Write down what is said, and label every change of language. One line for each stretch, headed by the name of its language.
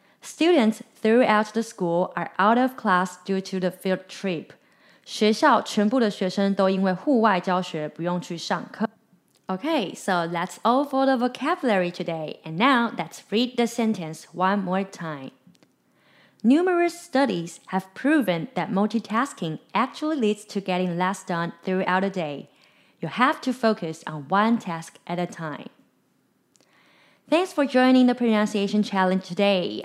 English: Students throughout the school are out of class due to the field trip.
Chinese: 学校全部的学生都因为户外教学不用去上课。
English: OK, so that's all for the vocabulary today. And now let's read the sentence one more time. Numerous studies have proven that multitasking actually leads to getting less done throughout the day. You have to focus on one task at a time. Thanks for joining the pronunciation challenge today.